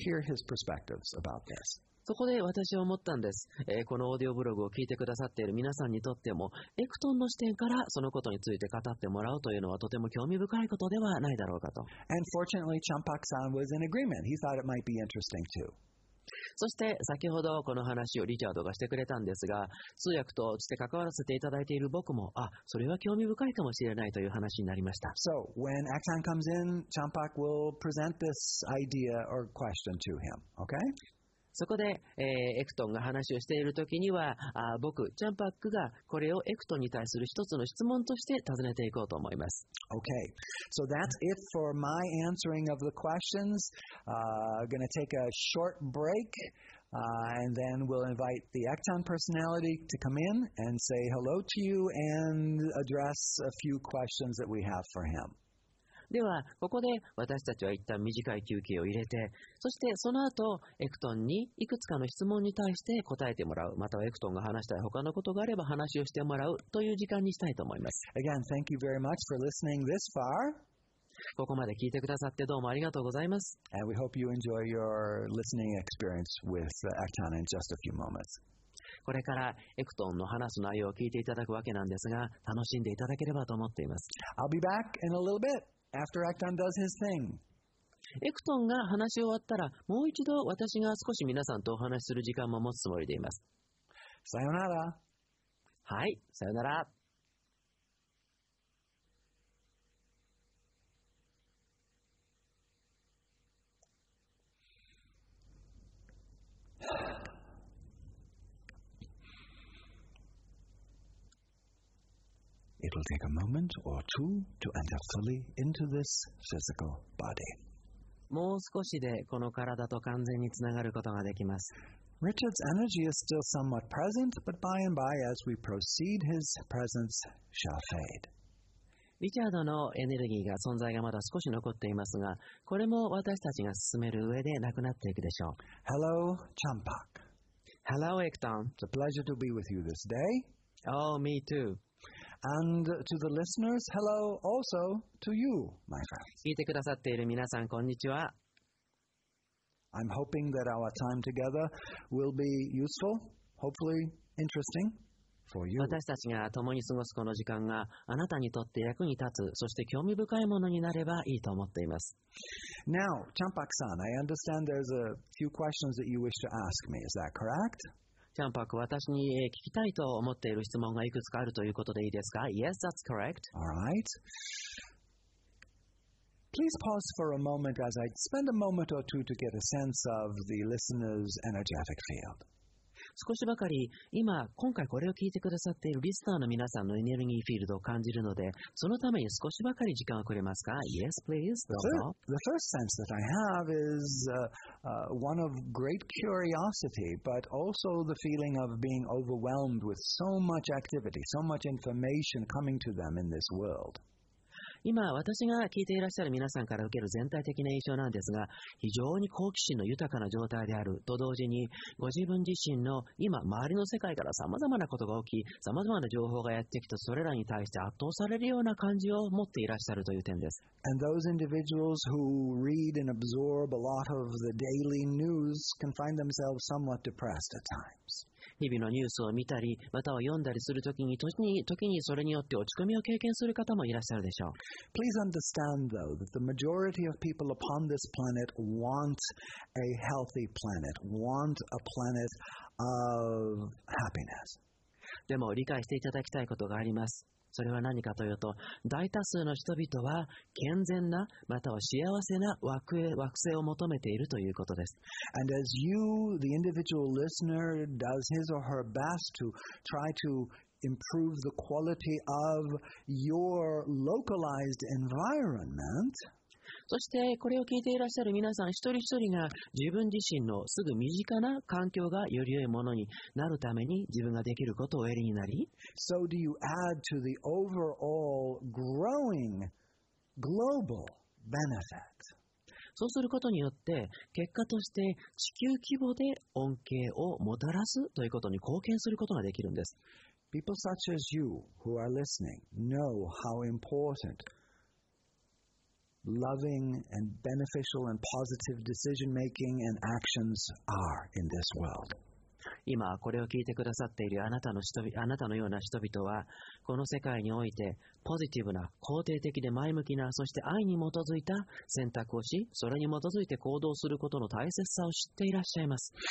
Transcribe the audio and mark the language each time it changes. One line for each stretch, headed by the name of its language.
Japanese: そこで私は思ったんです、このオーディオブログを聞いてくださっている皆さんにとっても、エクトンの視点からそのことについて語ってもらうというのはとても興味深いことではないだろうかと。
English: And fortunately, Champak-san was in agreement. He thought it might be interesting too.
Japanese: そして先ほどこの話をリチャードがしてくれたんですが、通訳として関わらせていただいている僕も、それは興味深いかもしれないという話になりました。
English: So, when Acton comes in, Champak will present this idea or question to him, okay?
Japanese: そこで、エクトンが話をしているときには、僕、チャンパックがこれをエクトンに対する一つの質問として尋ねていこうと思います。
English: Okay. So that's it for my answering of the questions. Gonna take a short break, and then we'll invite the Acton personality to come in and say hello to you and address a few questions that we have for him.
Japanese: ではここで私たちは一旦短い休憩を入れて、そしてその後エクトンにいくつかの質問に対して答えてもらう、またはエクトンが話したい他のことがあれば話をしてもらうという時間にしたいと思います。
English: Again, thank you very much for listening this far.
Japanese: ここまで聞いてくださってどうもありがとうございます。
English: And we hope you enjoy your listening experience with Acton in just a few moments.
Japanese: これからエクトンの話す内容を聞いていただくわけなんですが、楽しんでいただければと思っています。
English: I'll be back in a little bitAfter Acton does his thing.
Japanese: エクトンが話し終わったら、もう一度私が少し皆さんとお話しする時間も持つつもりでいます。さよなら。はい、さよなら。
English: It will take a moment or two to enter fully into this physical body.
Japanese: もう少しでこの体と完全につながることができます。
English: Richard's energy is still somewhat present, but by and by, as we proceed, his presence shall fade.
Japanese: リチャードのエネルギーが存在がまだ少し残っていますが、これも私たちが進める上でなくなっていくでしょう。
English: Hello, Champak. Hello, Ekton. It's a pleasure to be with you this day. Oh, me too. And to the listeners, hello also to you, my friends.
Japanese: 聞いてくださっている皆さん、こんにちは。
English: I'm hoping that our time together will be useful, hopefully interesting.
Japanese: 私たちが共に過ごすこの時間があなたにとって役に立つ、そして興味深いものになればいいと思っています。
English: Now, Champak-san, I understand there's a few questions that you wish to ask me. Is that correct?
Japanese: Champak, 私に聞きたいと思っている質問がいくつかあるということでいいですか?
English: Yes, that's correct. All right. Please pause for a moment as I spend a moment or two to get a sense of the listener's energetic field.
Japanese: 少しばかり今回これを聞いてくださっているリスナーの皆さんのエネルギーフィールドを感じるので、そのために少しばかり時間をくれますか?
English: Yes, please.
Japanese: どうぞ。
English: The first sense that I have is one of great curiosity, but also the feeling of being overwhelmed with so much activity, so much information coming to them in this world.
Japanese: 今私が聞いていらっしゃる皆さんから受ける全体的な印象なんですが、非常に好奇心の豊かな状態であると同時に、ご自分自身の今周りの世界からさまざまなことが起き、さまざまな情報がやってきて、それらに対して圧倒されるような感じを持っていらっしゃるという点です。
English: And those individuals who read and absorb a lot of the daily news can find themselves somewhat depressed at times.
Japanese: 日々のニュースを見たり、または読んだりするときに、時にそれによって落ち込みを経験する方もいらっしゃるでしょう。
English: Please understand though that the majority of people upon this planet want a healthy planet, want a planet of happiness.
Japanese: でも理解していただきたいことがあります。それは何かというと、大多数の人々は健全な、または幸せな惑星を求めているということです。
English: And as you, the individual listener, does his or her best to try to improve the quality of your localized environment,
Japanese: そしてこれを聞いていらっしゃる皆さん一人一人が自分自身のすぐ身近な環境がより良いものになるために自分ができることをおやりになり、
English: So do you add to the overall growing global benefit?
Japanese: そうすることによって結果として地球規模で恩恵をもたらすということに貢献することができるんです。
English: People such as you who are listening know how importantloving and beneficial and positive decision making and actions are in this world.
Japanese: 今これを聞いてくださっているあなたのような人々はこの世界においてポジティブな、肯定的で前向きな、そして愛に基づいた選択をし、それに基づいて行動することの大切さを知っていらっしゃいます。